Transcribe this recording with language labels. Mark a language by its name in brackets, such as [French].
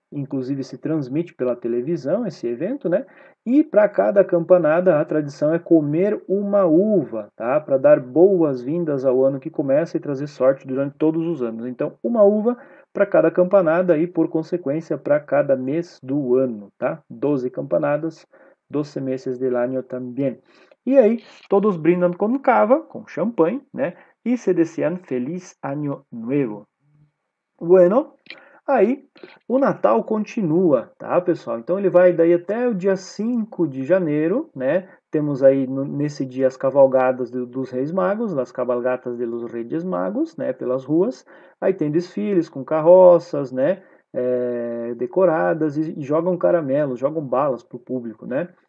[Portuguese] Inclusive se transmite pela televisão esse evento, né? E para cada campanada a tradição é comer uma uva, tá? Para dar boas-vindas ao ano que começa e trazer sorte durante todos os anos. Então, uma uva para cada campanada e, por consequência, para cada mês do ano, tá? [Spanish] 12 campanadas, 12 meses del año también. [Portuguese] E aí, todos brindam com cava, com champanhe, né? [Spanish] E se desean feliz año nuevo. [Portuguese] Bueno, aí o Natal continua, tá, pessoal? Então ele vai daí até o dia 5 de janeiro, né? Temos aí no, nesse dia as cavalgadas dos Reis Magos, [Spanish] as cabalgatas de los Reyes Magos, [Portuguese] né? Pelas ruas. Aí tem desfiles com carroças, né? Decoradas e jogam caramelos, jogam balas para o público, né?